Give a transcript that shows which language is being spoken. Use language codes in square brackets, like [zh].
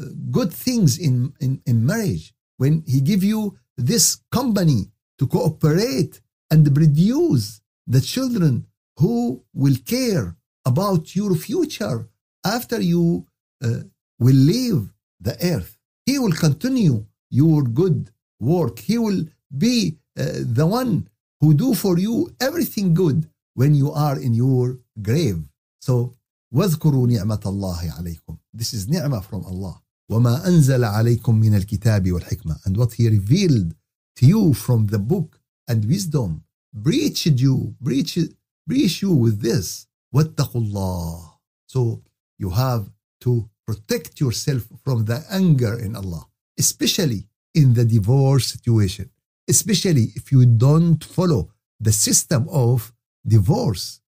[en] good things in marriage, when he give you this company to cooperate and produce the children who will care about your future after you will leave the earth. He will continue your good work. He will be the one who do for you everything good when you are in your grave. [ar] So, واذكروا نعمة الله عليكم. [en] This is ni'mah from Allah. [ar] وما أنزل عليكم من الكتاب والحكمة. [en] And what he revealed to you from the book and wisdom. Breached you with this. [ar] واتقوا الله. [en] So you have to protect yourself from the anger in Allah. Especially in the divorce situation. Especially if you don't follow the system of divorce.